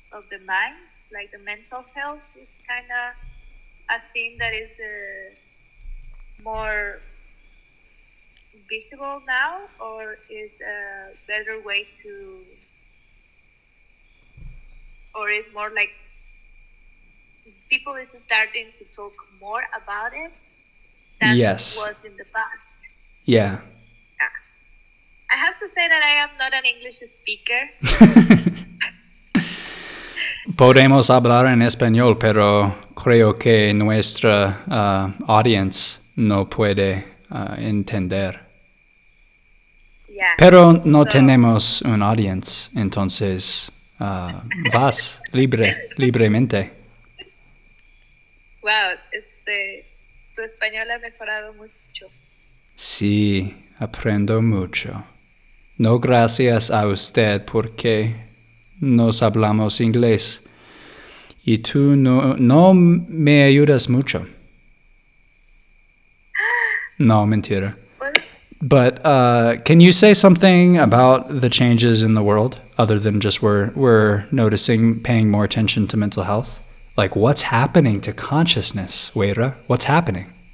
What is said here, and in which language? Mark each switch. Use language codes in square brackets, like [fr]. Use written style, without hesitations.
[en] the minds, like the mental health is kind of a thing that is more visible now, or is a better way to, or is more like people is starting to talk more about it than yes. It was in the past. Yeah. I have to say that I am not an English speaker. [es] Podemos hablar en español, pero creo que nuestra audience no puede entender. [en] Yeah. [es] Pero no tenemos un audience, entonces vas libremente. Wow, tu español ha mejorado mucho. Sí, aprendo mucho. No gracias a usted porque nos hablamos inglés y tú no me ayudas mucho. No, mentira. [en] But can you say something about the changes in the world other than just we're noticing paying more attention to mental health? Like, what's happening to consciousness, Weira? What's happening?